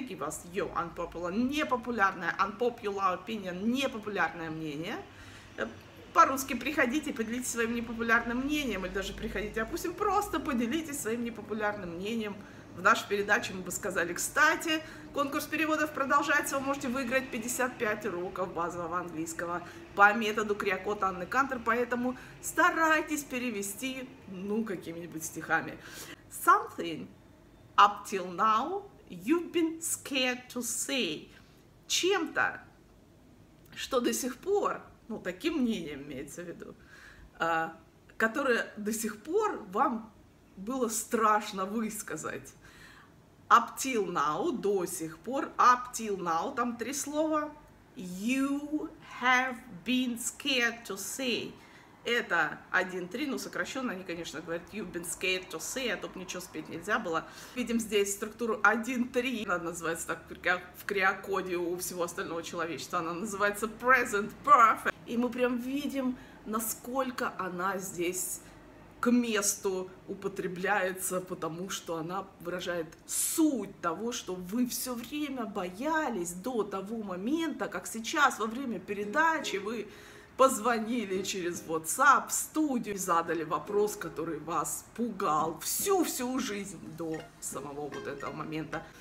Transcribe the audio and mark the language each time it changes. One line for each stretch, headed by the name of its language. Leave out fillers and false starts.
English: Give us your unpopular, непопулярное, unpopular opinion,
Russian: непопулярное мнение. По-русски приходите, поделитесь своим непопулярным мнением, или даже приходите, допустим, просто поделитесь своим непопулярным мнением. В нашей передаче мы бы сказали, кстати, конкурс переводов продолжается, вы можете выиграть 55 уроков базового английского по методу Криокод Анны Кантер, поэтому старайтесь перевести, ну, какими-нибудь стихами.
English: Something up till now you've been scared to say.
Russian: Чем-то, что до сих пор, ну, таким мнением имеется в виду, которое до сих пор вам было страшно высказать.
English: Up till now,
Russian: до сих пор,
English: up till now,
Russian: там три слова.
English: You have been scared to say.
Russian: Это 1-3, ну, сокращенно они, конечно, говорят,
English: you've been scared to say,
Russian: а то бы ничего спеть нельзя было. Видим здесь структуру 1-3, она называется так в криокоде у всего остального человечества, она называется present perfect. И мы прям видим, насколько она здесь к месту употребляется, потому что она выражает суть того, что вы все время боялись до того момента, как сейчас во время передачи вы позвонили через WhatsApp в студию и задали вопрос, который вас пугал всю-всю жизнь до самого вот этого момента.